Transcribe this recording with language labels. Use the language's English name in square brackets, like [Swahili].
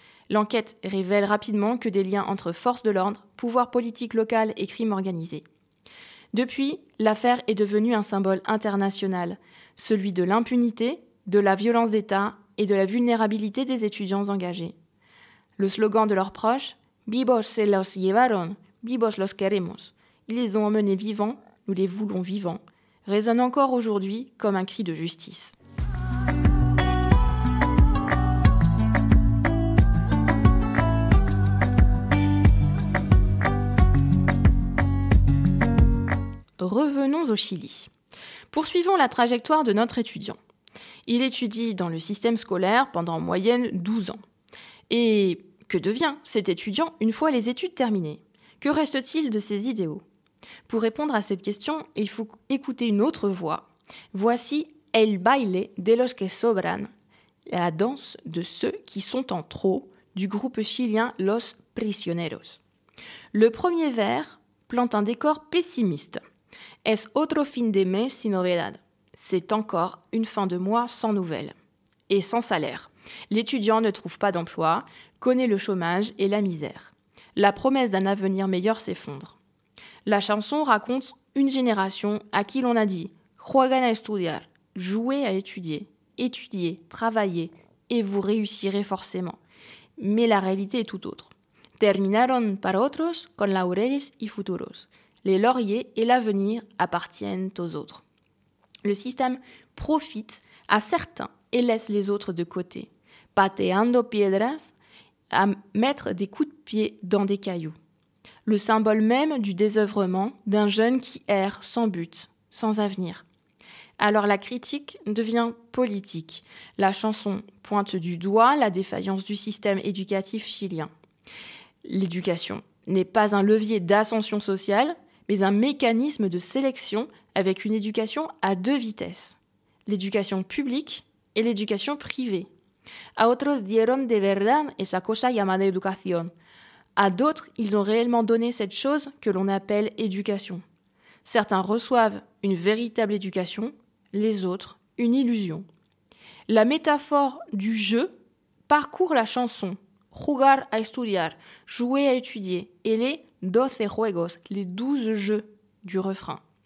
[French] L'enquête révèle rapidement que des liens entre forces de l'ordre, pouvoir politique local et crime organisé. Depuis, l'affaire est devenue un symbole international, celui de l'impunité, de la violence d'État et de la vulnérabilité des étudiants engagés. Le slogan de leurs proches, [Spanish] Vivos se los llevaron, vivos los queremos. [French] Ils les ont emmenés vivants, nous les voulons vivants. Résonne encore aujourd'hui comme un cri de justice. Revenons au Chili. Poursuivons la trajectoire de notre étudiant. Il étudie dans le système scolaire pendant en moyenne 12 ans. Et que devient cet étudiant une fois les études terminées? Que reste-t-il de ses idéaux? Pour répondre à cette question, il faut écouter une autre voix. Voici El baile de los que sobran, la danse de ceux qui sont en trop, du groupe chilien Los Prisioneros. Le premier vers plante un décor pessimiste. [Spanish] Es otro fin de mes sin novedad. [French] C'est encore une fin de mois sans nouvelles et sans salaire. L'étudiant ne trouve pas d'emploi, connaît le chômage et la misère. La promesse d'un avenir meilleur s'effondre. La chanson raconte une génération à qui l'on a dit « [Spanish] Juegan a estudiar [French] », jouez à étudier, étudiez, travaillez et vous réussirez forcément. Mais la réalité est tout autre. [Spanish] Terminaron para otros con laureles y futuros. [French] Les lauriers et l'avenir appartiennent aux autres. Le système profite à certains et laisse les autres de côté. [Spanish] Pateando piedras, [French] à mettre des coups de pied dans des cailloux. Le symbole même du désœuvrement d'un jeune qui erre sans but, sans avenir. Alors la critique devient politique. La chanson pointe du doigt la défaillance du système éducatif chilien. L'éducation n'est pas un levier d'ascension sociale, mais un mécanisme de sélection avec une éducation à deux vitesses. L'éducation publique et l'éducation privée. [Spanish] A otros dieron de verdad esa cosa llamada educación. [French] À d'autres, ils ont réellement donné cette chose que l'on appelle éducation. Certains reçoivent une véritable éducation, les autres une illusion. La métaphore du jeu parcourt la chanson [Spanish] Jugar a estudiar, [French] jouer à étudier, et les 12 juegos, les 12 jeux du refrain.